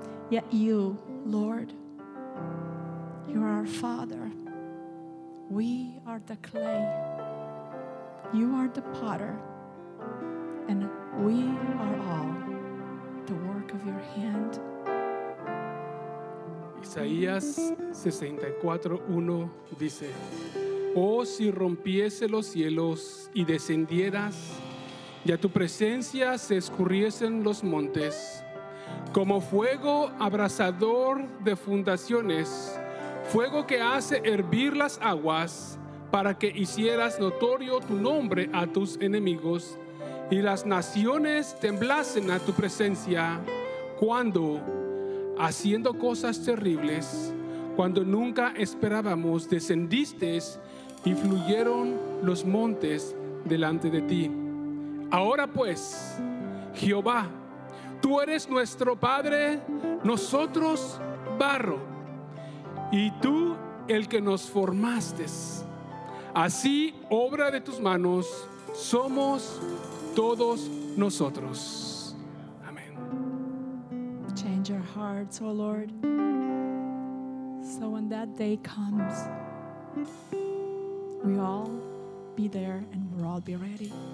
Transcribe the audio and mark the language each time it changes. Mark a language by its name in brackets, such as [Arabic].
[English] Yet you, Lord, you are our Father. We are the clay. You are the potter. And We are all the work of your hand. [Spanish] Isaías 64:1 dice, oh, si rompiese los cielos y descendieras, y a tu presencia se escurriesen los montes, como fuego abrasador de fundaciones, fuego que hace hervir las aguas, para que hicieras notorio tu nombre a tus enemigos, y las naciones temblasen a tu presencia, cuando, haciendo cosas terribles, cuando nunca esperábamos, descendiste y fluyeron los montes delante de ti. Ahora pues, Jehová, tú eres nuestro Padre, nosotros barro, y tú el que nos formaste. Así, obra de tus manos, somos todos nosotros. Amén. [English] Change our hearts, oh Lord, so when that day comes, we all be there and we'll all be ready.